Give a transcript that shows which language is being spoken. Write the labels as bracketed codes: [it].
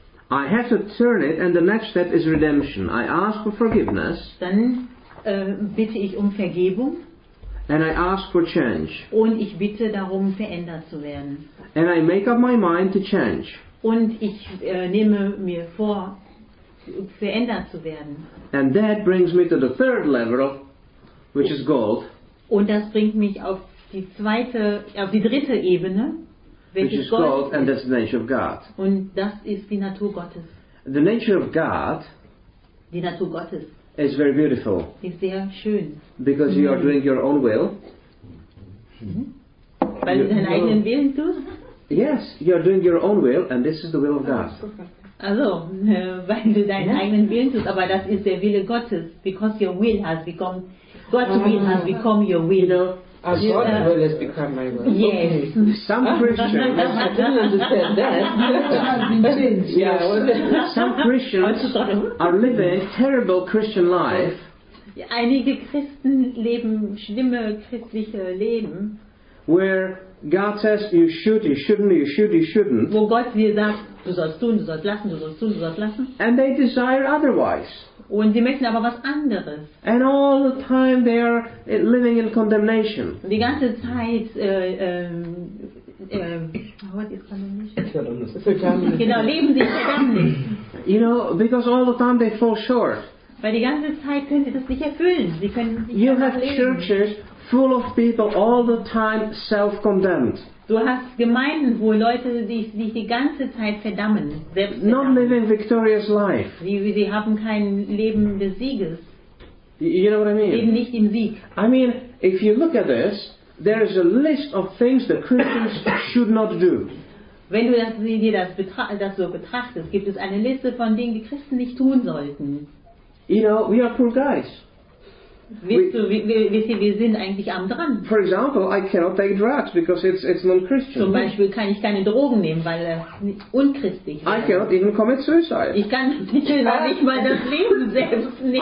[en] I have to turn it, and the next step is redemption. I ask for forgiveness. [de] Dann bitte ich um Vergebung. [en] And I ask for change. [de] Und ich bitte darum, verändert zu werden. [en] And I make up my mind to change. [de] Und ich nehme mir vor, verändert zu werden. [en] And that brings me to the third level, which is gold. [de] Und das bringt mich auf die dritte Ebene, [en] which is gold, and that's the nature of God. [de] Und das ist die Natur Gottes. [en] The nature of God, [de] die Natur Gottes, [en] is very beautiful. [de] Ist sehr schön. [en] Because you are doing your own will. [de] Weil du deinen eigenen Willen tust? [en] Yes, you are doing your own will, and this is the will of God. [de] Also, weil du deinen eigenen Willen tust, aber das ist der Wille Gottes. [en] Because your will has become, God's will has become your will. You know, as God's will has become my will. Yes. Okay. Some Christians, I didn't understand that. Your will has been changed. Yeah, well, some Christians are living a terrible Christian life. [de] Einige Christen leben schlimme christliche Leben. [en] Where God says, you should, you shouldn't, you should, you shouldn't. [de] Wo Gott dir sagt, du sollst tun, du sollst lassen, du sollst tun, du sollst lassen. [en] And they desire otherwise. [de] Und sie möchten aber was anderes. [en] And all the time they are living in condemnation. [de] Die ganze Zeit, leben sie verdammt. [en] You know, because all the time they fall short. [de] Weil die ganze Zeit können sie das nicht erfüllen. Sie können nicht [en] you have [de] leben. [en] Churches full of people all the time self-condemned. [de] Du hast Gemeinden, wo Leute sich die ganze Zeit verdammen, selbst verdammen. [en] Not living victorious life. [de] Sie haben kein Leben des Sieges. [en] You know what I mean? [de] Leben nicht im Sieg. [en] I mean, if you look at this, there is a list of things that Christians should not do. [de] Wenn du das so betrachtest, gibt es eine Liste von Dingen, die Christen nicht tun sollten. [en] You know, we are poor guys. [de] Wir sind eigentlich arm dran. [en] For example, I cannot take drugs because it's non-Christian. [de] Zum Beispiel kann ich keine Drogen nehmen, weil unchristlich ist. [en] I cannot even commit suicide. [de] Ich kann nicht mal das Leben selbst nehmen.